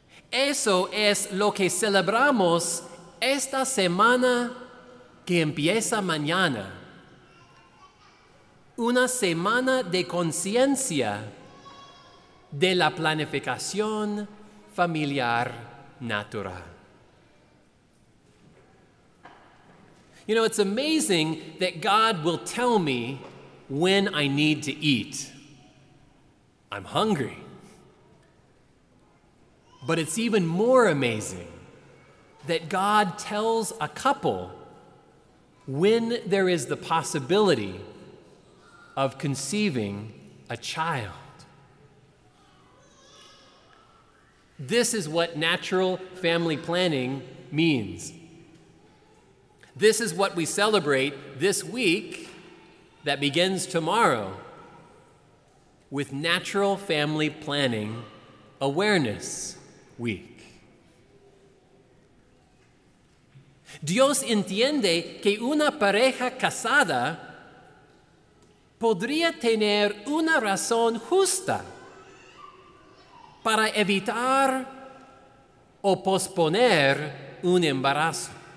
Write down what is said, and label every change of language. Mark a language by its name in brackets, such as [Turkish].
[Spanish] Eso es lo que celebramos esta semana que empieza mañana. Una semana de conciencia de la planificación familiar natural. [English] You know, it's amazing that God will tell me when I need to eat. I'm hungry. But it's even more amazing that God tells a couple when there is the possibility of conceiving a child. This is what natural family planning means. This is what we celebrate this week that begins tomorrow with Natural Family Planning Awareness Week. [Spanish] Dios entiende que una pareja casada podría tener una razón justa para evitar o posponer un embarazo.